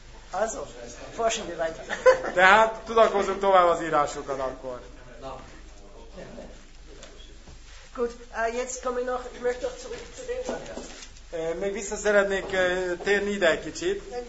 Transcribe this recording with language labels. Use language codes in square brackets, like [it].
[de] Also, forschen wir weiter. [hu] Tehát tudakozunk tovább az írásokat akkor. [de] Gut, jetzt komme ich noch, ich möchte auch zurück zu dem. [hu] Még vissza szeretnék térni ide egy kicsit.